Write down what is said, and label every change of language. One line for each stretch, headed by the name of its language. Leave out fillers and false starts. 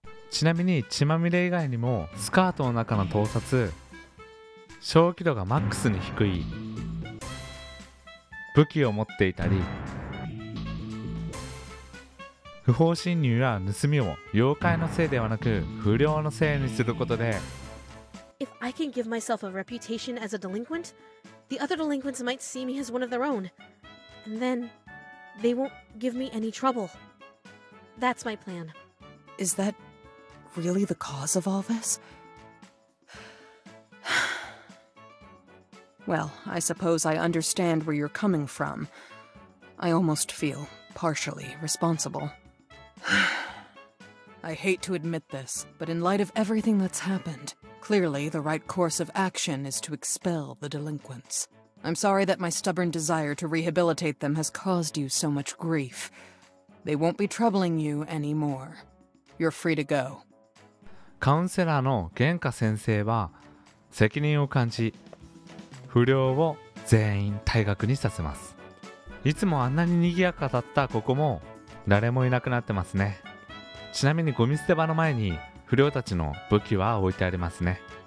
Japanese: ちなみに血まみれ以外にもスカートの中の盗撮、正気度がマックスに低い、武器を持っていたり、不法侵入や盗みを妖怪のせいではなく不良のせいにすることで、
English: If I can give myself a reputation as a delinquent, the other delinquents might see me as one of their own. And then, they won't give me any trouble. That's my plan. Is that really the cause of all this? Well, I suppose I understand where you're coming from. I almost feel partially responsible. I hate to admit this, but in light of everything that's happened, clearly the right course of action is to expel the delinquents. I'm sorry that my stubborn desire to rehabilitate them has caused you so much grief. They won't be troubling you anymore. You're free to go.
Japanese: カウンセラーの玄華先生は責任を感じ、不良を全員退学にさせます。いつもあんなに賑やかだったここも誰もいなくなってますね。ちなみにゴミ捨て場の前に不良たちの武器は置いてありますね。